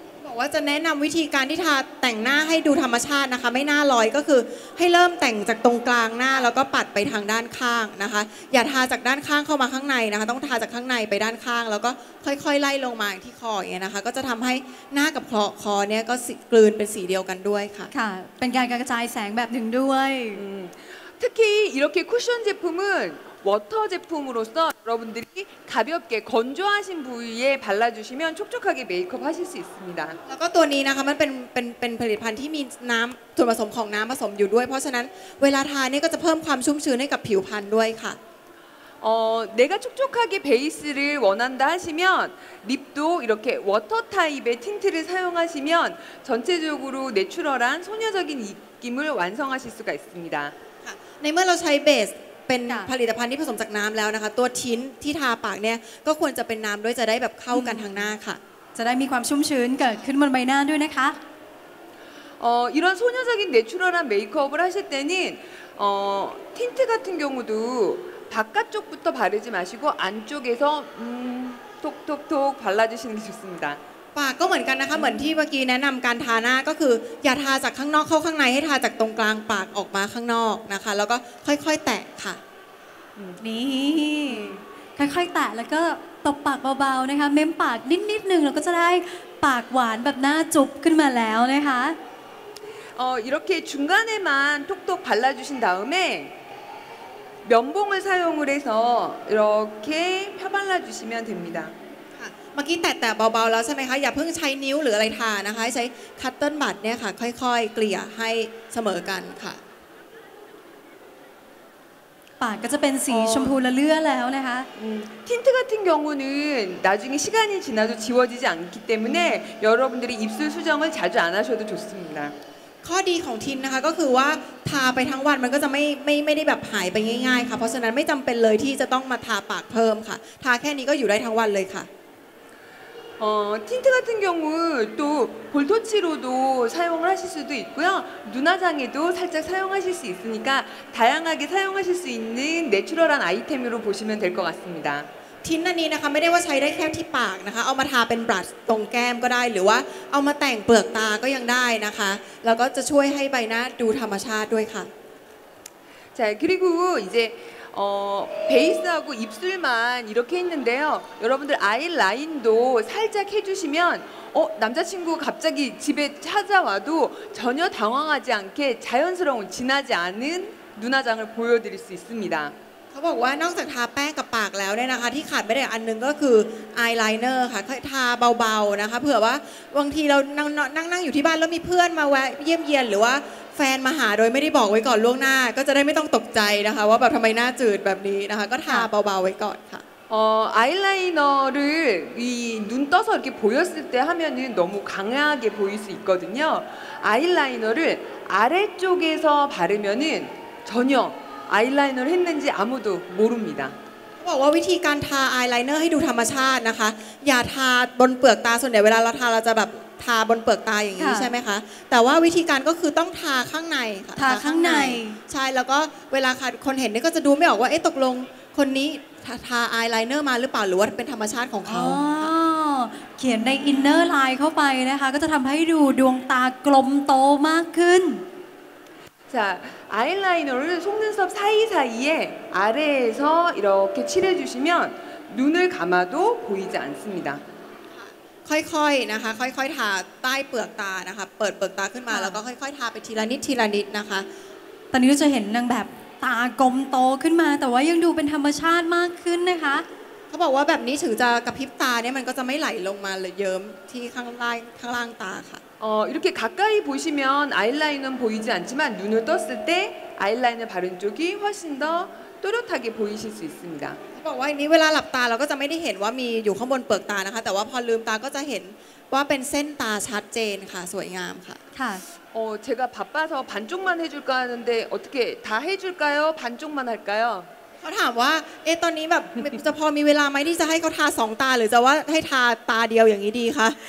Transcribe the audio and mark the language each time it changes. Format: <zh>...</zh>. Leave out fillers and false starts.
<th>บอกว่าจะแนะนำวิธีการที่ทาแต่งหน้าให้ดูธรรมชาตินะคะไม่หน้าลอยก็คือให้เริ่มแต่งจากตรงกลางหน้าแล้วก็ปัดไปทางด้านข้างนะคะอย่าทาจากด้านข้างเข้ามาข้างในนะคะต้องทาจากข้างในไปด้านข้างแล้วก็ค่อยๆไล่ลงมาที่คออย่างเงี้ยนะคะก็จะทำให้หน้ากับคอเนี่ยก็กลืนเป็นสีเดียวกันด้วยค่ะ ค่ะเป็นการกระจายแสงแบบหนึ่งด้วย</th> <ko>특히 이렇게 쿠션 제품은 워터 제품으로서 여러분들이 가볍게 건조하신 부위에 발라주시면 촉촉하게 메이크업 하실 수 있습니다.</ko> <th>แล้วก็ตัวนี้นะคะมันเป็นผลิตภัณฑ์ที่มีน้ำส่วนผสมของน้ำผสมอยู่ด้วยเพราะฉะนั้นเวลาทาเนี่ยก็จะเพิ่มความชุ่มชื้นให้กับผิวพรรณด้วยค่ะ</th> <ko>내가 촉촉하게 베이스를 원한다 하시면 립도 이렇게 워터 타입의 틴트를 사용하시면 전체적으로 내추럴한 소녀적인 느낌을 완성하실 수가 있습니다.</ko> <th>ในเมื่อเราใช้เบสเป็นผลิตภัณฑ์ที่ผสมจากน้ำแล้วนะคะตัวทินที่ทาปากเนี่ยก็ควรจะเป็นน้ำด้วยจะได้แบบเข้ากันทางหน้าค่ะ จะได้มีความชุ่มชื้นเกิดขึ้นบนใบหน้าด้วยนะคะ</th> <ko>이런소녀적인내추럴한메이크업을하실때는틴트같은경우도바깥쪽부터바르지마시고안쪽에서톡톡톡발라주시는게좋습니다</ko> <th>ปากก็เหมือนกันนะคะเหมือนที่เมื่อกี้แนะนำการทาหน้าก็คืออย่าทาจากข้างนอกเข้าข้างในให้ทาจากตรงกลางปากออกมาข้างนอกนะคะแล้วก็ค่อยๆแตะค่ะ นี่ค่อยๆแตะแล้วก็ตบปากเบาๆนะคะเม้มปากนิดๆหนึ่งแล้วก็จะได้ปากหวานแบบหน้าจุ๊บขึ้นมาแล้วนะคะ</th> <ko>이렇게중간에만톡톡발라주신다음에면봉을사용을해서이렇게펴발라주시면됩니다</ko> <th>เมื่อกี้แตะเบาๆแล้วใช่ไหมคะอย่าเพิ่งใช้นิ้วหรืออะไรทานะคะใช้คัตเติ้ลบัดเนี่ยค่ะค่อยๆเกลี่ยให้เสมอกันค่ะ ปากก็จะเป็นสีชมพูละเลื่อแล้วนะคะ</th> <ko>ทินท์같은경우는나중에시간이지나도지워지지않기때문에여러분들이입술수정을자주안하셔도좋습니다</ko> <th>ข้อดีของทินนะคะก็คือว่าทาไปทั้งวันมันก็จะไม่ได้แบบหายไปง่ายๆค่ะเพราะฉะนั้นไม่จำเป็นเลยที่จะต้องมาทาปากเพิ่มค่ะทาแค่นี้ก็อยู่ได้ทั้งวันเลยค่ะ</th> <ko>틴트같은경우또볼터치로도사용을하실수도있고요눈화장에도살짝사용하실수있으니까다양하게사용하실수있는내추럴한아이템으로보시면될것같습니다</ko> <th>ทินต์อันนี้นะคะไม่ได้ว่าใช้ได้แค่ที่ปากนะคะเอามาทาเป็นบลัชตรงแก้มก็ได้หรือว่าเอามาแต่งเปลือกตาก็ยังได้นะคะแล้วก็จะช่วยให้ใบหน้าดูธรรมชาติด้วยค่ะ</th> <ko>자 그리고 이제 베이스하고 입술만 이렇게 했는데요 여러분들 아이라인도 살짝 해주시면 남자친구 갑자기 집에 찾아와도 전혀 당황하지 않게 자연스러운 진하지 않은 누나장을 보여드릴 수 있습니다</ko> <th>เขาบอกว่านอกจากทาแป้งกับปากแล้วเนี่ยนะคะที่ขาดไม่ได้อันนึงก็คือไอไลเนอร์ค่ะทาเบาๆนะคะเผื่อว่าบางทีเรานั่งๆอยู่ที่บ้านแล้วมีเพื่อนมาแวะเยี่ยมเยียนหรือว่าแฟนมาหาโดยไม่ได้บอกไว้ก่อนล่วงหน้าก็จะได้ไม่ต้องตกใจนะคะว่าแบบทำไมหน้าจืดแบบนี้นะคะก็ทาเบาๆไว้ก่อนค่ะ</th> <ko>ไอไลเนอร์를이눈떠서이렇게보였을때하면은너무강하게보일수있거든요ไอไลเนอร์를아래쪽에서바르면은전혀아이라이너를했는지아무도모릅니다</ko> <th>เขาบอกว่าวิธีการทาอายไลเนอร์ให้ดูธรรมชาตินะคะอย่าทาบนเปลือกตาส่วนใหญ่เวลาเราทาเราจะแบบทาบนเปลือกตาอย่างนี้ใช่ไหมคะแต่ว่าวิธีการก็คือต้องทาข้างในค่ะ ทาข้างใน ใช่แล้วก็เวลาคนเห็นนี่ก็จะดูไม่ออกว่าเอ๊ะตกลงคนนี้ทาอายไลเนอร์มาหรือเปล่าหรือว่าเป็นธรรมชาติของเขา เขียนในอินเนอร์ไลน์เข้าไปนะคะก็จะทำให้ดูดวงตากลมโตมากขึ้น</th> <ko>자아이라이너를속눈썹사이사이에아래에서이렇게칠해주시면눈을감아도보이지않습니다</ko> <th>ค่อยๆนะคะค่อยๆทาใต้เปลือกตานะคะเปิดเปลือกตาขึ้นมาแล้วก็ค่อยๆทาไปทีละนิดทีละนิดนะคะ ตอนนี้จะเห็นนางแบบตากลมโตขึ้นมาแต่ว่ายังดูเป็นธรรมชาติมากขึ้นนะคะ เขาบอกว่าแบบนี้ถึงจะกระพริบตาเนี่ยมันก็จะไม่ไหลลงมาเลยเยิ้มที่ข้างล่างตาค่ะ</th> <ko>이렇게가까이보시면아이라인은보이지않지만눈을떴을때아이라인을바른쪽이훨씬더또렷하게보이실수있습니다</ko> <th>บอกว่านี้เวลาหลับตาเราก็จะไม่ได้เห็นว่ามีอยู่ข้างบนเปลือกตานะคะแต่ว่าพอลืมตาก็จะเห็นว่าเป็นเส้นตาชัดเจนค่ะสวยงามค่ะ ค่ะ</th> <ko>제가바빠서반쪽만해줄까하는데어떻게다해줄까요반쪽만할까요</ko> <th>เขาถามว่าเอ๊ะตอนนี้แบบจะพอมีเวลาไหมที่จะให้เขาทาสองตาหรือจะว่าให้ทาตาเดียวอย่างนี้ดีคะ</th>